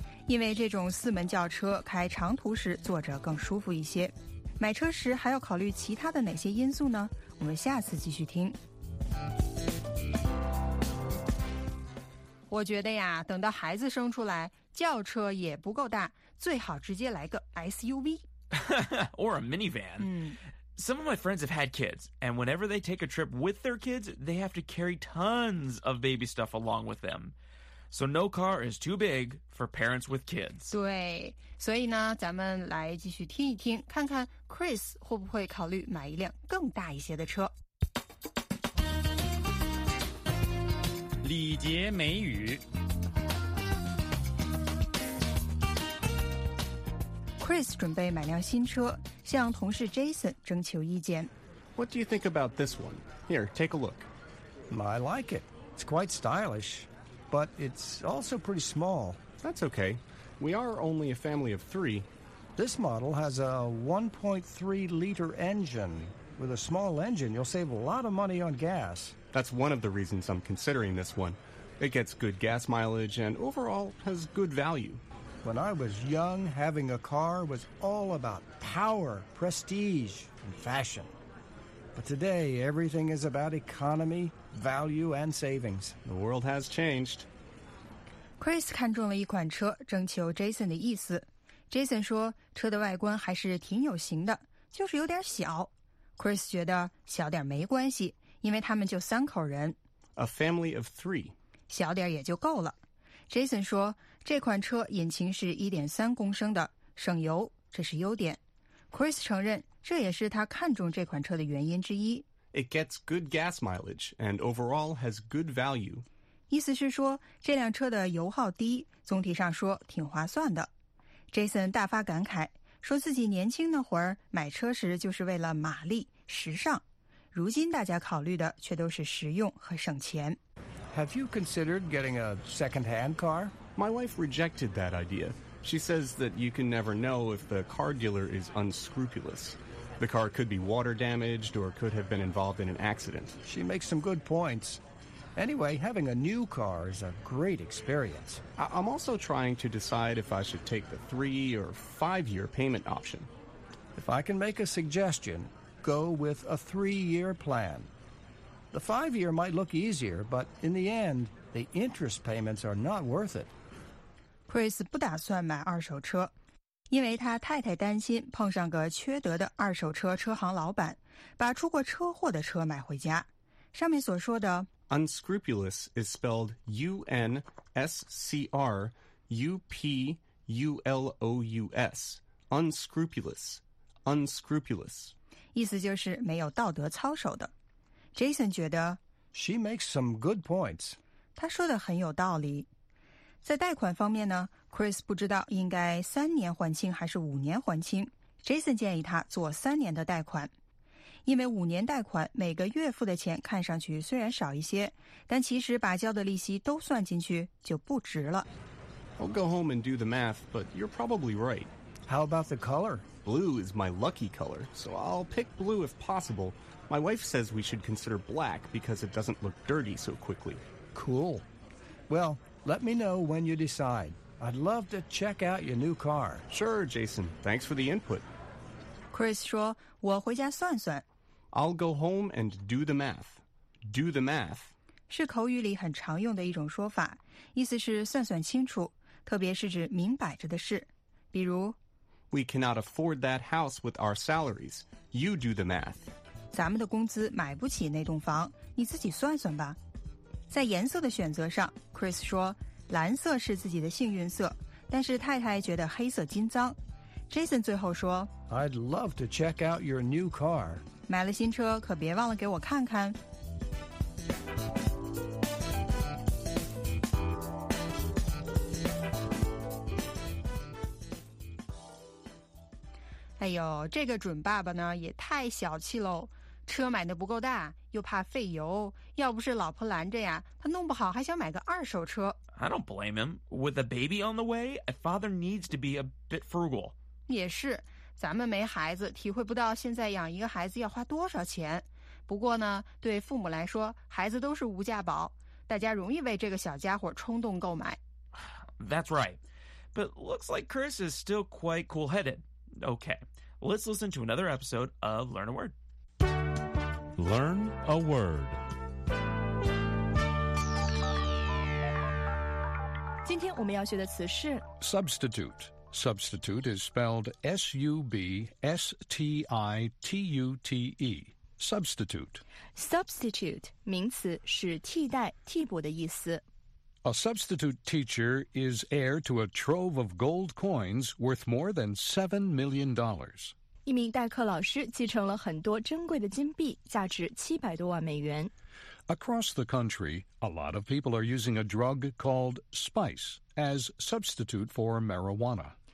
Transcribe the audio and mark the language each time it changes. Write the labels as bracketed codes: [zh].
[zh] 因为这种四门轿车开长途时坐着更舒服一些买车时还要考虑其他的哪些因素呢我们下次继续听我觉得呀等到孩子生出来轿车也不够大最好直接来个 SUV [en] Or a minivan. Some of my friends have had kids, and whenever they take a trip with their kids, they have to carry tons of baby stuff along with them. So no car is too big for parents with kids. [zh] 对，所以呢，咱们来继续听一听，看看 Chris 会不会考虑买一辆更大一些的车。礼节美语 Chris 准备买辆新车，向同事 Jason 征求意见。 [en] What do you think about this one? Here, take a look. I like it. It's quite stylish, but it's also pretty small. That's okay. We are only a family of three. This model has a 1.3-liter engine. With a small engine, you'll save a lot of money on gas. That's one of the reasons I'm considering this one. It gets good gas mileage and overall has good value. When I was young, having a car was all about power, prestige, and fashion. But today, everything is about economy, value, and savings. The world has changed. [zh] Chris 看中了一款车，征求 Jason 的意思。Jason 说，车的外观还是挺有型的，就是有点小。 Chris 觉得小点没关系，因为他们就三口人。 [en] A family of three. [zh] 小点也就够了。 Jason 说这款车引擎是 1.3 公升的省油这是优点 Chris 承认这也是他看中这款车的原因之一 [en] It gets good gas mileage and overall has good value [zh] 意思是说这辆车的油耗低总体上说挺划算的 Jason 大发感慨说自己年轻那会儿买车时就是为了马力时尚如今大家考虑的却都是实用和省钱 [en] Have you considered getting a second-hand car? My wife rejected that idea. She says that you can never know if the car dealer is unscrupulous. The car could be water damaged or could have been involved in an accident. She makes some good points. Anyway, having a new car is a great experience. I'm also trying to decide if I should take the 3 or 5 year payment option. If I can make a suggestion, go with a 3 year plan. The 5 year might look easier, but in the end, the interest payments are not worth it. [zh] Chris 不打算买二手车，因为他太太担心碰上个缺德的二手车车行老板，把出过车祸的车买回家。上面所说的 [en] unscrupulous is spelled U-N-S-C-R-U-P-U-L-O-U-S. Unscrupulous, unscrupulous. [zh] 意思就是没有道德操守的。Jason 觉得 [en] She makes some good points. [zh] 他说的很有道理。在贷款方面呢， Chris 不知道应该三年还清还是五年还清。 Jason 建议他做三年的贷款。因为五年贷款每个月付的钱看上去虽然少一些，但其实把交的利息都算进去就不值了。 [en] I'll go home and do the math, but you're probably right. How about the color? Blue is my lucky color, so I'll pick blue if possible. My wife says we should consider black because it doesn't look dirty so quickly. Cool. Well, let me know when you decide. I'd love to check out your new car. Sure, Jason. Thanks for the input. [zh] Chris 说，我回家算算。 [en] I'll go home and do the math. Do the math. [zh] 是口语里很常用的一种说法，意思是算算清楚，特别是指明摆着的事。比如 [en] We cannot afford that house with our salaries. You do the math. [zh] 咱们的工资买不起那栋房，你自己算算吧。在颜色的选择上， Chris 说，蓝色是自己的幸运色，但是太太觉得黑色金脏。 Jason 最后说 [en] I'd love to check out your new car. [zh] 买了新车可别忘了给我看看。哎呦，这个准爸爸呢也太小气了，车买的不够大，又怕费油，要不是老婆拦着呀，他弄不好还想买个二手车。 [en] I don't blame him. With a baby on the way, a father needs to be a bit frugal. [zh] 也是，咱们没孩子，体会不到现在养一个孩子要花多少钱。不过呢，对父母来说，孩子都是无价宝，大家容易为这个小家伙冲动购买。 [en] That's right. But looks like Chris is still quite cool-headed. Okay, let's listen to another episode of Learn a Word. Learn a Word. [zh] 今天我们要学的词是 [en] Substitute. Substitute is spelled S-U-B-S-T-I-T-U-T-E. Substitute. [zh] Substitute, 名词是替代、替补的意思。 [en] A substitute teacher is heir to a trove of gold coins worth more than $7 million. [zh] 一名代课老师继承了很多珍贵的金币，价值 [en] $7 million+. Across the country, a lot of people are using a drug called spice as substitute for marijuana.